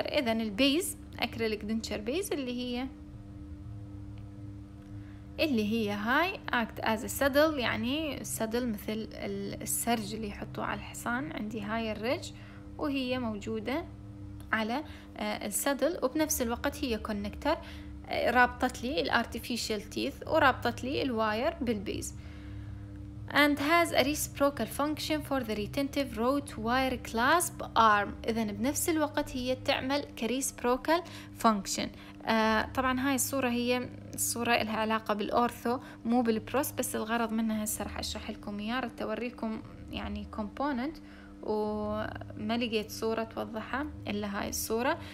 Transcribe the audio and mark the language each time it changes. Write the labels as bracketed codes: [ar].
[ar] اذا البيز اكريليك دنتشر بيز اللي هي هاي [en] act as a saddle، [ar] يعني saddle مثل السرج اللي يحطوه على الحصان، عندي هاي الرج وهي موجودة على saddle، وبنفس الوقت هي connector رابطت لي artificial teeth ورابطت لي الواير بالبيز. [en] And has a reciprocal function for the retentive root wire clasp arm. [ar] إذن بنفس الوقت هي تعمل reciprocal function. طبعا هاي الصورة هي الصورة لها علاقة بالأورثو مو بالبروس، بس الغرض منها هسه راح أشرح لكم إياها، رح توريكم يعني component وما لقيت صورة توضحها إلا هاي الصورة.